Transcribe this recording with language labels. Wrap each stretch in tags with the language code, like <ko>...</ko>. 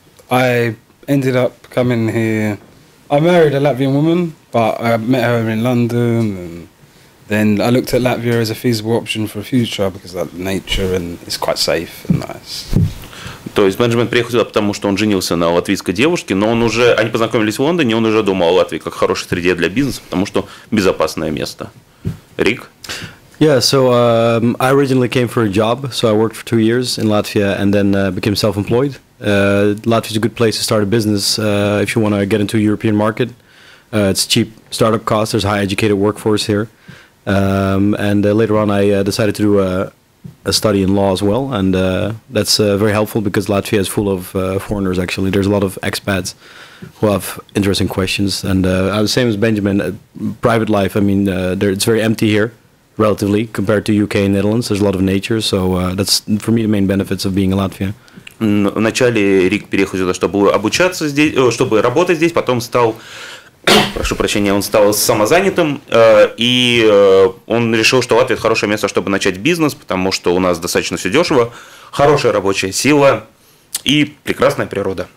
<en>I ended up coming here. I married a Latvian woman, but I met her in London, and then I looked at Latvia as a feasible option for a future because of nature and it's quite safe and nice.</en> <ru>То есть Бенджамин приехал сюда, потому что он женился на латвийской девушке, но он уже, они познакомились в Лондоне, он уже думал о Латвии как хорошей среде для бизнеса, потому что безопасное место. Рик?</ru> <en>Yeah, so I originally came for a job, so I worked for 2 years in Latvia and then became self-employed. Latvia is a good place to start a business if you want to get into a European market. It's cheap startup costs, there's a high educated workforce here. Later on I decided to do a study in law as well, and that's very helpful because Latvia is full of foreigners actually. There's a lot of expats who have interesting questions, and the same as Benjamin, private life, I mean, it's very empty here. Relatively compared to UK and Netherlands, there's a lot of nature, so that's for me the main benefits of being a Latvian.</en> <ru>Вначале Рик переехал сюда, чтобы обучаться здесь, чтобы работать здесь, потом стал, прошу прощения, он стал самозанятым, и он решил, что Латвия хорошее место, чтобы начать бизнес, потому что у нас достаточно все дешево, хорошая рабочая сила и прекрасная природа.</ru>